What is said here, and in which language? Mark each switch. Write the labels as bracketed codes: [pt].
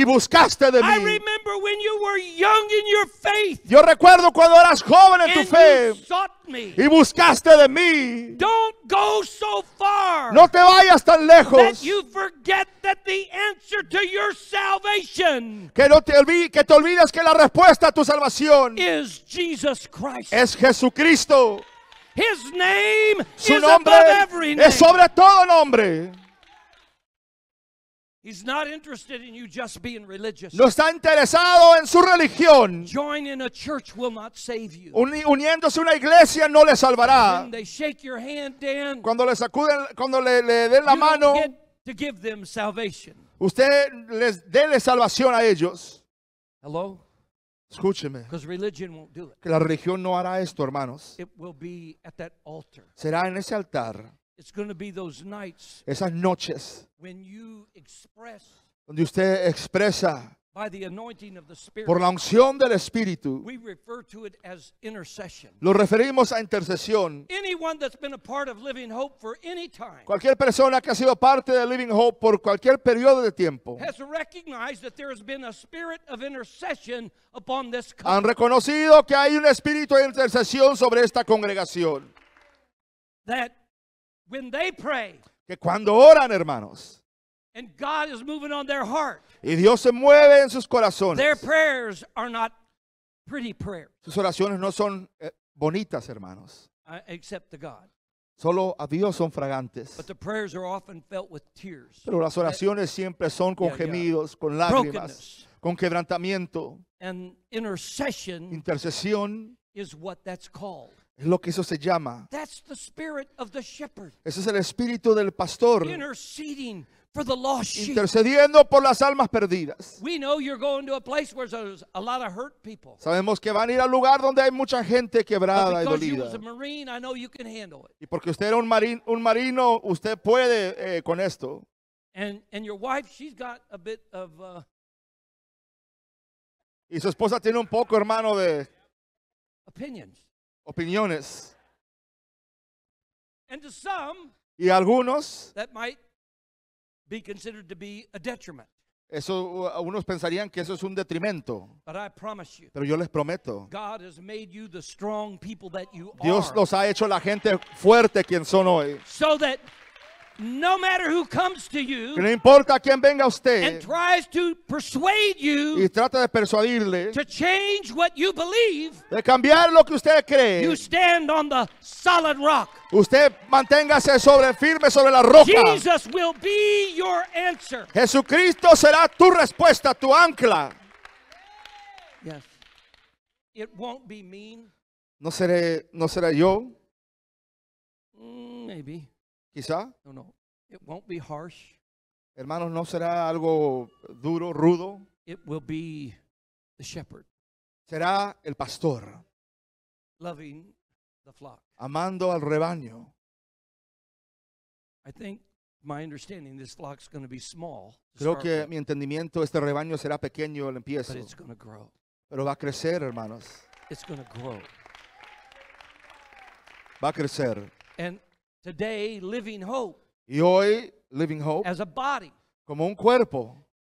[es] Y buscaste de [en] I [es] mí. [en] I remember when you were young in your faith. [es] Yo recuerdo cuando eras joven en [en] and [es] tu fe. [en] You sought me. [es] Y buscaste de mí. [en] Don't go so far. [es] No te vayas tan lejos. [en] That you forget that the answer to your salvation. [es] Que no te olvides que la respuesta a tu salvación [en] is Jesus Christ. [es] Es Jesucristo. [en] His name [es] Su [en] is above every name. [es] Es sobre todo nombre. [en] He's not interested in you just being religious. [es] No está interesado en su religión. [en] Joining a church will not save you. [es] Uniéndose a una iglesia no le salvará. [en] When they shake your hand, Dan, [es] cuando le sacuden, cuando le den la [en] you [es] mano, [en] don't get to give them salvation. [es] Usted les déle salvación a ellos. [en] Hello? [es] Escúcheme. [en] Because religion won't do it. [es] Que la religión no hará esto, hermanos. [en] It will be at that altar. [es] Será en ese altar. [en] It's going to be those nights. [es] Esas noches. [en] When you express. [es] Donde usted expresa. [en] By the anointing of the Spirit. [es] Por la unción del Espíritu. [en] We refer to it as intercession. [es] Lo referimos a intercesión. [en] Anyone that's been a part of Living Hope for any time. [es] Cualquier persona que ha sido parte de Living Hope por cualquier periodo de tiempo. [en] Has recognized that there has been a spirit of intercession upon this congregation. [es] Han reconocido que hay un espíritu de intercesión sobre esta congregación. [en] That when they pray. [es] Que cuando oran, hermanos. [en] And God is moving on their heart. [es] Y Dios se mueve en sus corazones. [en] Their prayers are not pretty prayers. [es] Sus oraciones no son bonitas, hermanos. [en] Except to God. [es] Solo a Dios son fragantes. [en] But the prayers are often felt with tears. [es] Pero las oraciones siempre son con gemidos, con lágrimas, [en] brokenness. [es] Con quebrantamiento. [en] And intercession [es] intercesión [en] is what that's called. [es] Es lo que eso se llama. [en] That's the spirit of the shepherd. [es] Ese es el espíritu del pastor. [en] Interceding for the lost sheep. [es] Intercediendo por las almas perdidas. [en] We know you're going to a place where there's a lot of hurt people. [es] Sabemos que van a ir al lugar donde hay mucha gente quebrada y dolida. [en] Because you was a marine, I know you can handle it. [es] Y porque usted era un marino, usted puede con esto. [en] And your wife, she's got a bit of. [es] Y su esposa tiene un poco, hermano, de. [en] Opinions. [es] Opiniones. [en] And to some. [es] Y algunos. [en] That might be considered to be a detriment. [es] Eso, algunos pensarían que eso es un detrimento. [en] But I promise you. [es] Pero yo les prometo. [en] God has made you the strong people that you [es] Dios [en] are. [es] Dios los ha hecho la gente fuerte quien son hoy. [en] So that. No matter who comes to you, [es] que no importa quién venga usted, [en] and tries to persuade you, [es] y trata de persuadirle, [en] to change what you believe, [es] de cambiar lo que usted cree, [en] you stand on the solid rock. [es] Usted manténgase sobre firme sobre la roca. [en] Jesus will be your answer. [es] Jesucristo será tu respuesta, tu ancla. [en] Yes, it won't be mean. [es] No seré yo. [en] Maybe. [es] Quizá. [en] No. It won't be harsh. [es] Hermanos, no será algo duro, rudo. [en] It will be the shepherd. [es] Será el pastor. [en] Loving the flock. [es] Amando al rebaño. [en] I think my understanding this flock's going to be small. [es] Creo que mi entendimiento este rebaño será pequeño al empiezo. [en] But it's going to grow. [es] Pero va a crecer, hermanos. [en] It's going to grow. [es] Va a crecer. [en] And today, Living Hope. [es] Y hoy, Living Hope. [en] As a body. [es] Como un cuerpo.